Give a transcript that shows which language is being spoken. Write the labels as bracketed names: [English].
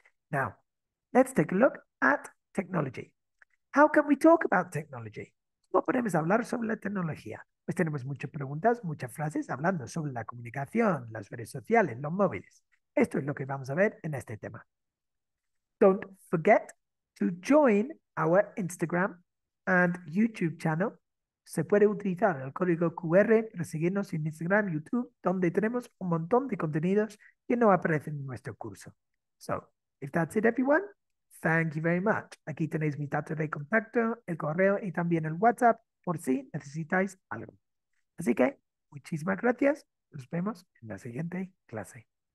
[English] Now, let's take a look at technology. How can we talk about technology? [Spanish] ¿Cómo podemos hablar sobre la tecnología? Pues tenemos muchas preguntas, muchas frases hablando sobre la comunicación, las redes sociales, los móviles. Esto es lo que vamos a ver en este tema. [English] Don't forget to join our Instagram and YouTube channel. [Spanish] Se puede utilizar el código QR para seguirnos en Instagram, YouTube, donde tenemos un montón de contenidos que no aparecen en nuestro curso. [English] So, if that's it, everyone, thank you very much. [Spanish] Aquí tenéis mis datos de contacto, el correo y también el WhatsApp por si necesitáis algo. Así que, muchísimas gracias. Nos vemos en la siguiente clase.